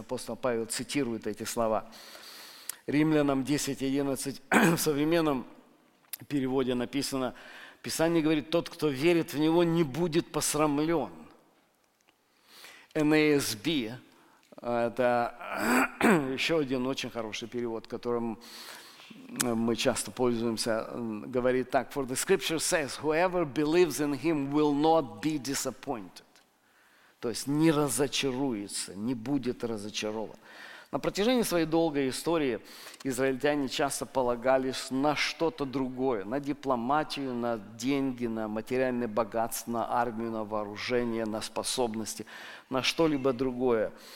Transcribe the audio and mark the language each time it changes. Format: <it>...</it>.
<ru>Апостол Павел цитирует эти слова. Римлянам 10:11 в современном переводе написано, Писание говорит, тот, кто верит в него, не будет посрамлен. NASB – это еще один очень хороший перевод, которым мы часто пользуемся, говорит так.</ru> <en>For the scripture says, whoever believes in him will not be disappointed.</en> <ru>То есть не разочаруется, не будет разочарован. На протяжении своей долгой истории израильтяне часто полагались на что-то другое, на дипломатию, на деньги, на материальное богатство, на армию, на вооружение, на способности, на что-либо другое.</ru>